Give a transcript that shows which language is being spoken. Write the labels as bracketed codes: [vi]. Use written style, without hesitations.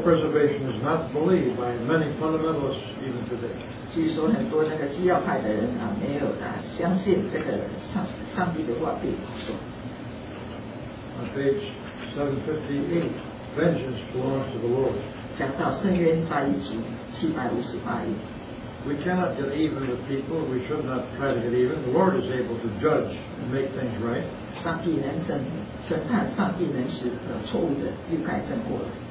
[en] preservation is not believed by many fundamentalists even today. [zh] 据说很多那个基要派的人没有相信这个上帝的话被保守。 [en] On page 758, vengeance belongs to the Lord. [zh] 讲到圣冤在一起,758页。 [en] We cannot get even with people, we should not try to get even. The Lord is able to judge and make things right. [zh] 上帝能审判,上帝能使错误的就改正过来。